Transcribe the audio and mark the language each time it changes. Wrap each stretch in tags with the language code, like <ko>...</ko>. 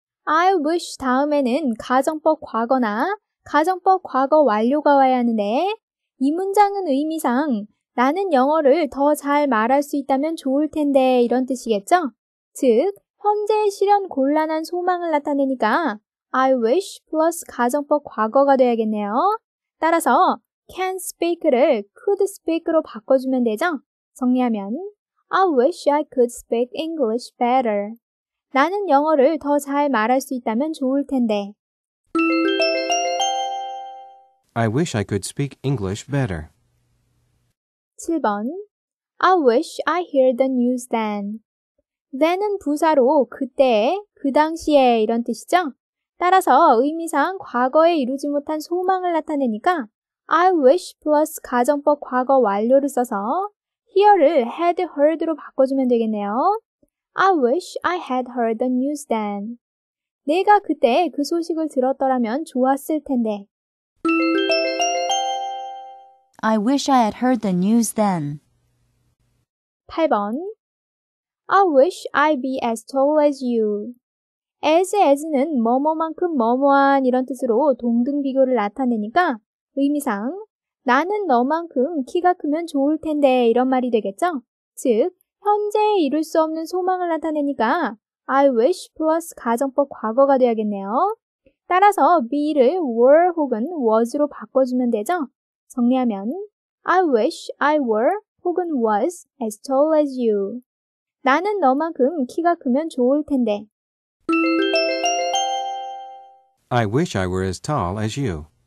<ko>I wish 다음에는 가정법 과거나 가정법 과거 완료가 와야 하는데 이 문장은 의미상 나는 영어를 더 잘 말할 수 있다면 좋을 텐데 이런 뜻이겠죠? 즉, 현재의 실현 곤란한 소망을 나타내니까 I wish 플러스 가정법 과거가 돼야겠네요. 따라서 can speak를 could speak로 바꿔주면 되죠?</ko> <en>정리하면 I wish I could speak English better.</en> <ko>나는 영어를 더 잘 말할 수 있다면 좋을 텐데.</ko> <en>I wish I could speak English better. 7번. I wish I hear the news then.</en> <ko>Then은 부사로 그때, 그 당시에 이런 뜻이죠? 따라서 의미상 과거에 이루지 못한 소망을 나타내니까 I wish 플러스 가정법 과거 완료를 써서 hear를 had heard로 바꿔주면 되겠네요.</ko> <en>I wish I had heard the news then.</en> <ko>내가 그때 그 소식을 들었더라면 좋았을 텐데.</ko> <en>I wish I had heard the news then.</en> <ko>8번.</ko> <en>I wish I'd be as tall as you.</en> <ko>As는 뭐뭐만큼 뭐뭐한 이런 뜻으로 동등 비교를 나타내니까 의미상 나는 너만큼 키가 크면 좋을 텐데 이런 말이 되겠죠? 즉, 현재에 이룰 수 없는 소망을 나타내니까 I wish 플러스 가정법 과거가 돼야겠네요. 따라서 be를 were 혹은 was로 바꿔주면 되죠?</ko> <en>정리하면 I wish I were 혹은 was as tall as you.</en> <ko>나는 너만큼 키가 크면 좋을 텐데.</ko> <en>I wish I were as tall as you.</en>